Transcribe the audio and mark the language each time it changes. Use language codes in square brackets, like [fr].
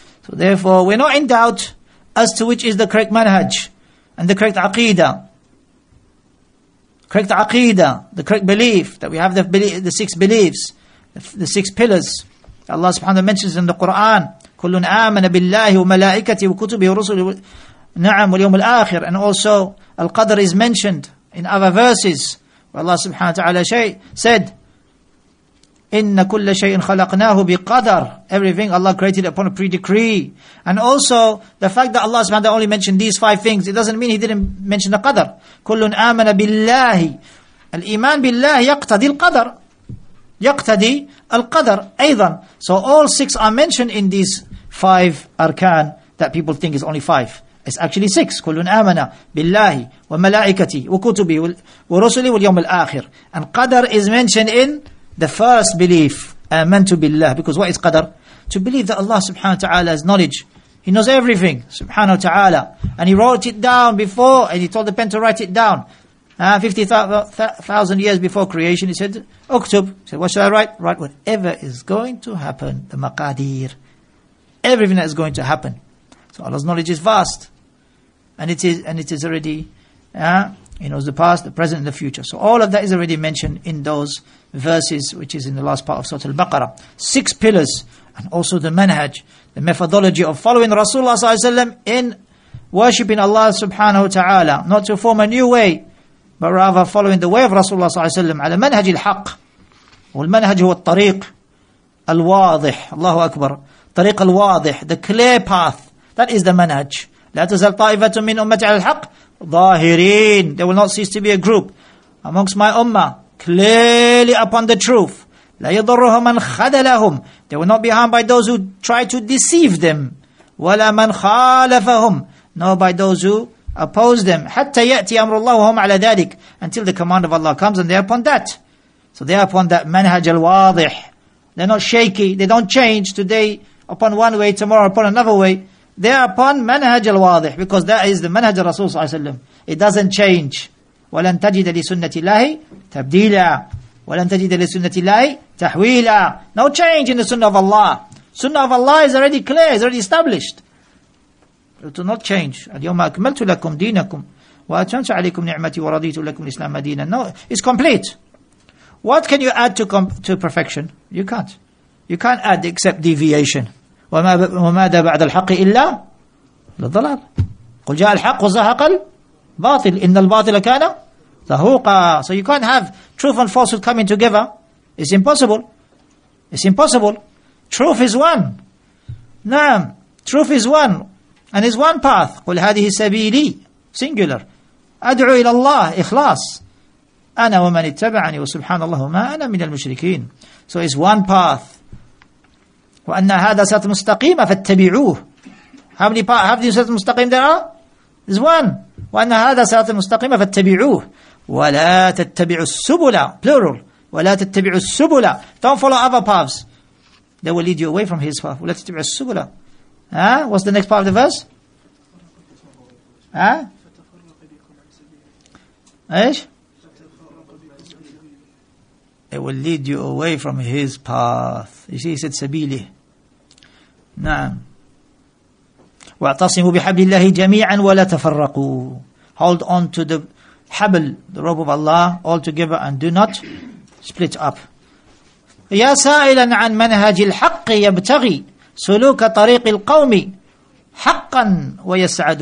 [en] So therefore, we're not in doubt as to which is the correct manhaj and the correct aqidah. Correct aqidah, the correct belief, that we have the six beliefs, the six pillars. [ar] Allah subhanahu wa ta'ala [en] mentions in the Qur'an, [ar] كلن آمن بالله وملائكته وكتبه ورسله نعم واليوم الآخر. [en] And also القدر is mentioned in other verses where Allah سبحانه وتعالى said [ar] إن كل شيء خلقناه بقدر. [en] Everything Allah created upon a pre-decree. And also the fact that Allah سبحانه only mentioned these five things, it doesn't mean He didn't mention the قدر. [ar] كلن آمن بالله, الإيمان بالله يقتضي القدر, يقتدي القدر أيضا. [en] So all six are mentioned in these five arkan that people think is only five. It's actually six. [ar] كلن آمن بالله وملائكتي وكتبي ورسلي واليوم الآخر. [en] And قدر is mentioned in the first belief, amantu billah. Because what is qadr? To believe that Allah subhanahu wa ta'ala has knowledge. He knows everything, subhanahu wa ta'ala. And he wrote it down before, and he told the pen to write it down. 50,000 years before creation, he said, Uktub. He said, what should I write? Write whatever is going to happen, the maqadir. Everything that is going to happen. So Allah's knowledge is vast. And it is already, he knows the past, the present, and the future. So all of that is already mentioned in those verses, which is in the last part of Surah Al-Baqarah. Six pillars, and also the manhaj, the methodology of following Rasulullah Sallallahu Alaihi Wasallam in worshipping Allah subhanahu wa ta'ala, not to form a new way, but rather following the way of Rasulullah Sallallahu Alaihi Wasallam, على manhaj al-haq. [ar] والمنهج هو الطريق الواضح. Allahu Akbar. طريق الواضح, [en] the clear path. That is the manhaj. [ar] لا تزال طائفة من أمتي على الحق ظاهرين. [en] There will not cease to be a group amongst my ummah clearly upon the truth. [ar] لا يضرهم من خذلهم. [en] They will not be harmed by those who try to deceive them. [ar] ولا من خالفهم. [en] Nor by those who oppose them. [ar] حتى يأتي أمر الله وهم على ذلك. [en] Until the command of Allah comes and they are upon that. So they are upon that manhaj al-wadih. They're not shaky. They don't change today upon one way, tomorrow upon another way. They are upon manhaj al-wadih, because that is the manhaj of Rasul sallallahu alayhi wa sallam. It doesn't change. [ar] وَلَن تَجِدَ لِسُنَّةِ اللَّهِ تَبْدِيلًا وَلَن تَجِدَ لِسُنَّةِ اللَّهِ تَحْوِيلًا. [en] No change in the sunnah of Allah. Sunnah of Allah is already clear, is already established. It will not change. [ar] اليوم أكملت لكم دينكم وأتممت عليكم نعمتي ورضيت لكم الإسلام دينا. [en] No, it's complete. What can you add to perfection? You can't. You can't add except deviation. [ar] وماذا بعد الحق إلا الضلال. قل جاء الحق وزهق الباطل إن الباطل كان زهوقا. [en] So you can't have truth and falsehood coming together. It's impossible. It's impossible. Truth is one. نعم. Truth is one. And it's one path. [ar] قل هذه سبيلي. [en] Singular. [ar] أدعو إلى الله. إخلاص. أنا ومن اتبعني وسبحان الله ما أنا من المشركين. [en] So it's one path. [ar] وأن هذا صراط مستقيم فاتبعوه. [en] How many paths? How many صراط مستقيم there are? It's one. [ar] وأن هذا صراط مستقيم فاتبعوه. ولا تتبعوا السبل. [en] Plural. [ar] ولا تتبعوا السبل. [en] Don't follow other paths. They will lead you away from his path. [ar] ولا تتبعوا السبل. [en] Huh? What's the next part of the verse? Huh? Ish? It will lead you away from his path. You see, he said [ar] sabili. Naam. وَاعْتَصِمُوا بِحَبْلِ اللَّهِ جَمِيعًا وَلَا تَفَرَّقُوا. [en] Hold on to the habl, the rope of Allah, all together, and do not split up. [ar] يَا سَائِلًا عَنْ مَنْهَجِ الْحَقِّ يَبْتَغِي سلوك طريق القوم حقا ويسعد.